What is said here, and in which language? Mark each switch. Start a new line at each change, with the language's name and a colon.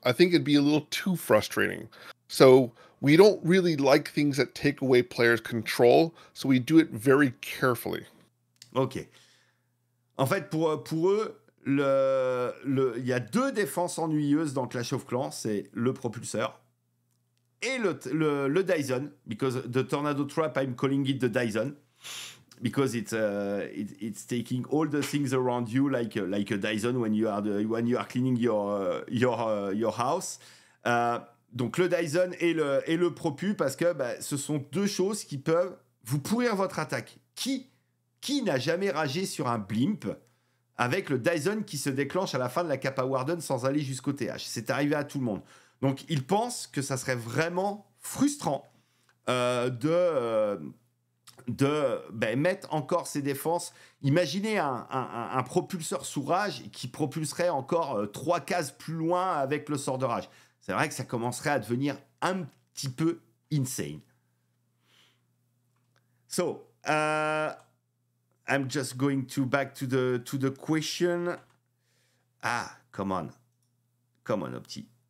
English: I think it'd be a little too frustrating. So we don't really like things that take away players' control, so we do it very carefully. OK.
French: En fait, pour eux, il y a deux défenses ennuyeuses dans Clash of Clans. C'est le propulseur et le Dyson,
English: because the tornado trap, I'm calling it the Dyson, because it's taking all the things around you like a Dyson when you are cleaning your house.
French: Donc le Dyson et le propu, parce que ce sont deux choses qui peuvent vous pourrir votre attaque. Qui n'a jamais ragé sur un blimp avec le Dyson qui se déclenche à la fin de la Kappa Warden sans aller jusqu'au TH? C'est arrivé à tout le monde. Donc il pense que ça serait vraiment frustrant de mettre encore ses défenses. Imaginez un propulseur sous rage qui propulserait encore trois cases plus loin avec le sort de rage. C'est vrai que ça commencerait à devenir un petit peu insane.
English: So, I'm just going to back to the question. Ah, come on, Opti.